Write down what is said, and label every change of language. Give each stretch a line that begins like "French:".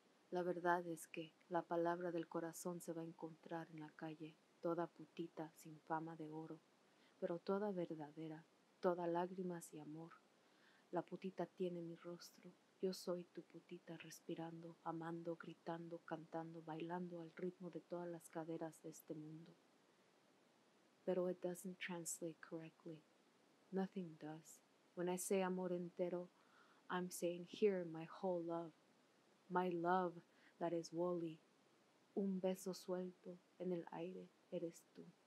Spanish: La verdad es que la palabra del corazón se va a encontrar en la calle, toda putita sin fama de oro, pero toda verdadera, toda lágrimas y amor. La putita tiene mi rostro. Yo soy tu putita respirando, amando, gritando, cantando, bailando al ritmo de todas las caderas de este mundo. Pero
English: it doesn't translate correctly. Nothing does. When I say
Spanish: amor entero,
English: I'm saying here my whole love. My love that is Wally.
Spanish: Un beso suelto en el aire eres tú.